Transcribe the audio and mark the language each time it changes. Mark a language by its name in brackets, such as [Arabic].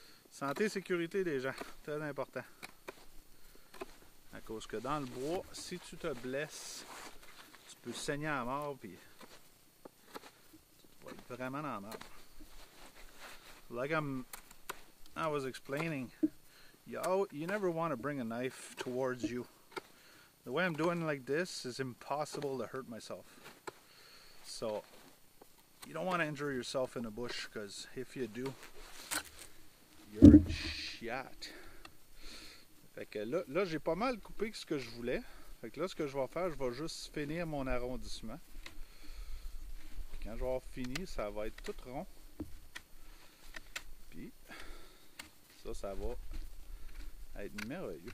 [French] Santé, sécurité des gens, très important. À cause que dans le bois, si tu te blesses, tu peux saigner à mort, puis tu vas être vraiment dans la merde. [English] Like I was explaining, you never want to bring a knife towards you. The way I'm doing like this is impossible to hurt myself. So, you don't want to injure yourself in a bush, because if you do, you're in shit. [French] Fait que là, j'ai pas mal coupé ce que je voulais. Fait que là, ce que je vais faire, je vais juste finir mon arrondissement. Puis quand je vais avoir fini, ça va être tout rond. Puis, ça va être merveilleux.